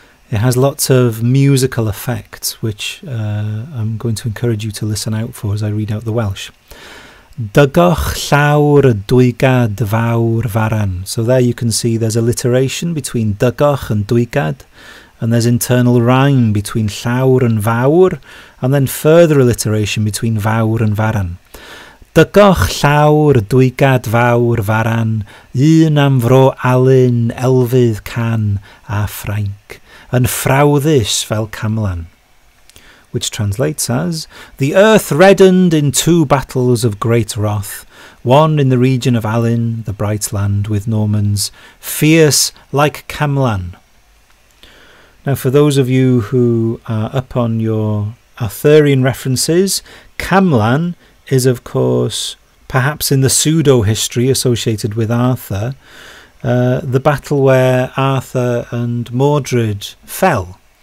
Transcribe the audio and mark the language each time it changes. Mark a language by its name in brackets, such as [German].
[English] It has lots of musical effects, which I'm going to encourage you to listen out for as I read out the Welsh. [Welsh] Dygoch llawr y dwygad fawr faran. [English] So there you can see there's alliteration between dygoch and dwygad, and there's internal rhyme between llawr and fawr, and then further alliteration between fawr and faran. [Welsh] Dygoch llawr y dwygad fawr faran, un am fro alun elfydd can a ffrainc, yn ffrawddus fel camlan. [English] Which translates as, the earth reddened in two battles of great wrath, one in the region of Alin, the bright land, with Normans, fierce like Camlan. Now, for those of you who are up on your Arthurian references, Camlan is, of course, perhaps in the pseudo-history associated with Arthur, the battle where Arthur and Mordred fell.